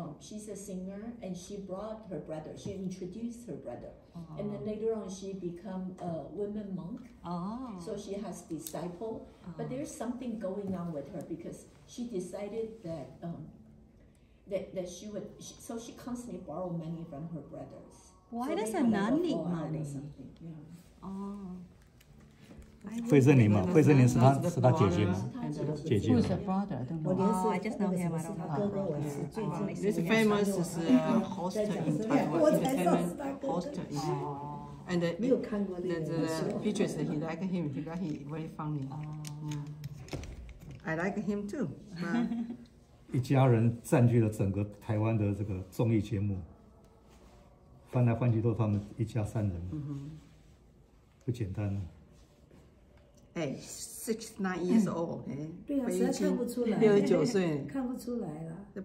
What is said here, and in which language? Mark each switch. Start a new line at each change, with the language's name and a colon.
English: She's a singer, and she brought her brother. She introduced her brother, and then later on, she become a woman monk. So she has disciple, but there's something going on with her because she decided that. That she would, so she constantly borrow money from her brothers. Why does a nun need money?
Chinese: 费正林嘛，费正林是他，是他姐姐嘛，姐姐。
English: Who's the brother? I don't know. Oh, I just know him. I don't know. This famous is host in Taiwan. Host in. And the pictures that he liked him, he got him very funny. Oh. I like him too.
Chinese: 一家人占据了整个台湾的这个综艺节目，翻来翻去都是他们一家三人， mm-hmm. 不简单了。哎
English: ，69 years old，
Chinese: 对啊，实在看不出来，69岁，看不出来了。